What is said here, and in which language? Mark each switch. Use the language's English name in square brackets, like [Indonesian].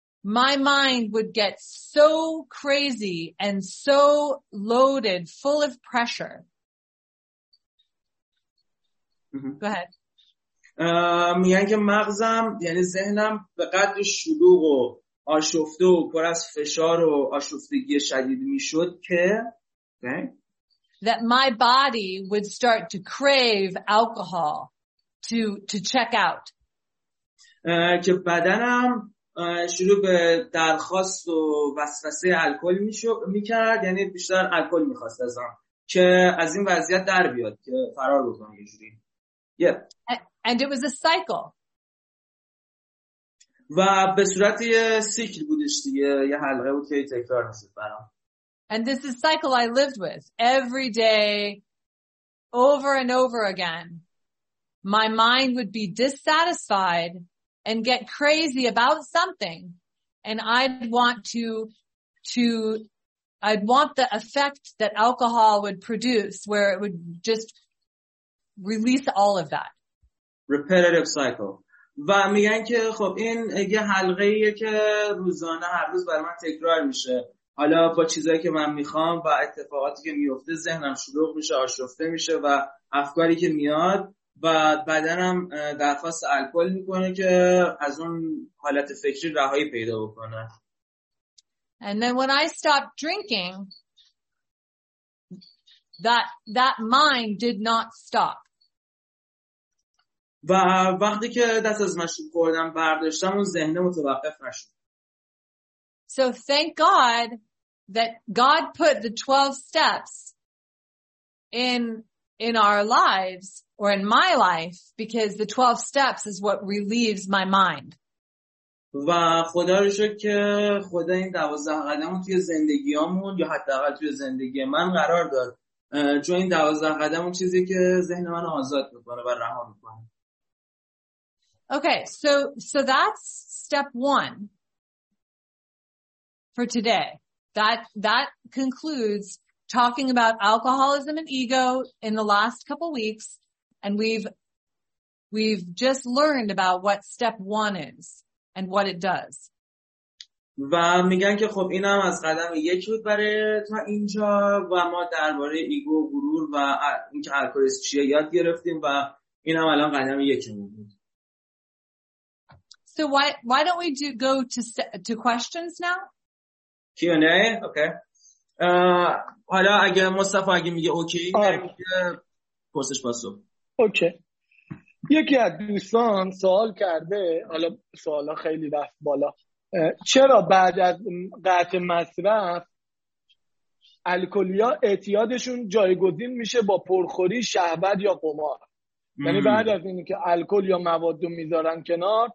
[English] My mind would get so crazy and so loaded, full of pressure. Go ahead. [Persian] میگن که مغزم یعنی ذهنم به قدر شلوغ و آشفته و پر از فشار و آشفتگی شدید میشد که [English] That my body would start to crave alcohol to check out. [Persian] که بدنم شروع به درخواست و وسوسه الکل میکرد، یعنی بیشتر الکل میخواست ازم که از این وضعیت در بیاد، که فرار بکنم یه جوری. [English] And it was a cycle. [Persian] و به صورت یه سیکل بودش دیگه، یه حلقه بود که تکرار میشد برام. [English] And this is cycle I lived with every day over and over again. My mind would be dissatisfied and get crazy about something, and I'd want the effect that alcohol would produce, where it would just release all of that. Repetitive cycle. [Persian] و میگن که خب این یه حلقه ایه که روزانه هر روز برای من تکرار میشه، حالا با چیزایی که من میخوام و اتفاقاتی که میفته ذهنم شلوغ میشه، آشفته میشه و افکاری که میاد و بدنم درخواست الکل میکنه که از اون حالت فکری رهایی پیدا بکنه. [English] And then when I stopped drinking, that mind did not stop. [Persian] و وقتی که دست از مشروب خوردم برداشتم، اون ذهن متوقف نشد. [English] So thank God that God put the 12 steps in our lives, or in my life, because the 12 steps is what relieves my mind. [Persian] و خدا رو شکر که خدا این 12 قدم رو توی زندگیامون یا حداقل توی زندگی من قرار داد، چون این 12 قدم اون چیزی که ذهن من رو آزاد می‌کنه و رها می‌کنه. [English] Okay, so that's step 1 for today. That concludes talking about alcoholism and ego in the last couple weeks, and we've just learned about what step 1 is and what it does. [Persian] و میگن که خب اینم از قدم 1 بود برای تا اینجا، و ما درباره ایگو، غرور و اینکه الکلیسم چیه یاد گرفتیم، و اینم الان قدم 1 بود. [English] So why don't we go to questions now? Q&A, okay. [Persian] حالا اگه مصطفی اگه میگه اوکی، پرسش پاسو. اوکی. یکی از دوستان سوال کرده، حالا سوالا خیلی رفت بالا. چرا بعد از قطع مصرف الکلیا اعتیادشون جایگزین میشه با پرخوری، شهوت یا قمار؟ یعنی بعد از اینی که الکل یا مواد رو میذارن کنار.